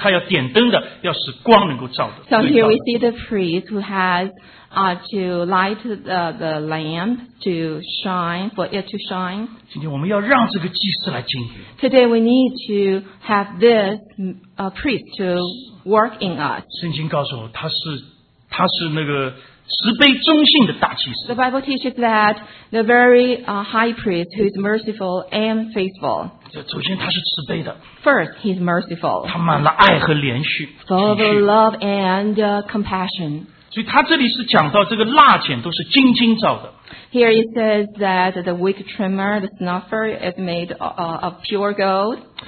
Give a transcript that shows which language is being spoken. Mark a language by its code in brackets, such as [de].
[zh] 那在这里他讲到这个祭司，这个祭司他要点灯的，要使光能够照的。 [en] So here we see the priest who has to light the lamp to shine, for it to shine. [zh] 今天我们要让这个祭司来经营。 [en] Today we need to have this priest to work in us. [zh] 圣经告诉我，他是那个。慈悲忠信的大祭司。 [en] The Bible teaches that the very high priest who is merciful and faithful. [zh] 首先他是慈悲的。 [en] First, he is merciful. [zh] 他满了爱和怜恤。 [en] Full of love and compassion. [zh] 所以他这里是讲到这个蜡剪都是金金造的。 [en] Here it says that the wick trimmer, the snuffer, is made of pure gold.